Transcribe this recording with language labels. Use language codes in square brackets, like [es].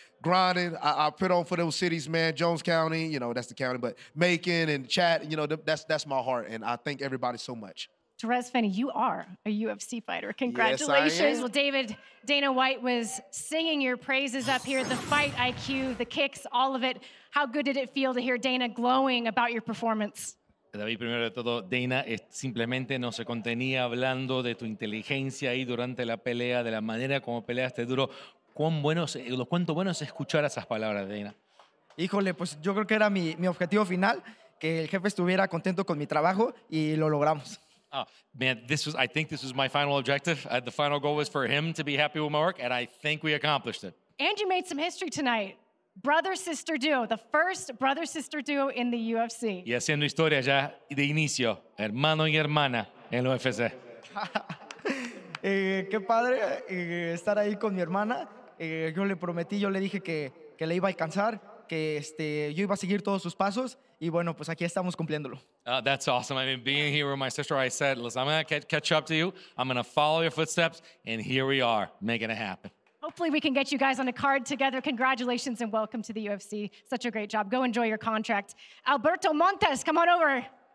[en] Grinding, I put on for those cities, man. Jones County, you know, that's the county, but Macon and Chat, you know, that's my heart, and I thank everybody so much. Therese Finney, you are a UFC fighter. Congratulations. Yes, I am. Well, David, Dana White was singing your praises up here, the fight IQ, the kicks, all of it. How good did it feel to hear Dana glowing about your performance? [es] David, primero de todo, Dana simplemente no se contenía hablando de tu inteligencia ahí durante la pelea, de la manera como peleaste duro. ¿Cuánto bueno es escuchar esas palabras, Dana? Híjole, pues yo creo que era mi objetivo final, que el jefe estuviera contento con mi trabajo, y lo logramos. [en] Oh, man, I think this was my final objective. The final goal was for him to be happy with my work, and I think we accomplished it. And you made some history tonight. Brother-sister duo, the first brother-sister duo in the UFC. [es] Y haciendo historia ya de inicio, hermano y hermana en el UFC. Qué padre estar ahí con mi hermana. Yo le prometí, yo le dije que le iba a alcanzar, que yo iba a seguir todos sus pasos, y bueno, pues aquí estamos cumpliéndolo. [en] That's awesome. I mean, being here with my sister, I said, listen, I'm going to catch up to you. I'm going to follow your footsteps, and here we are, making it happen. Hopefully we can get you guys on a card together. Congratulations and welcome to the UFC. Such a great job. Go enjoy your contract. Alberto Montes, come on over.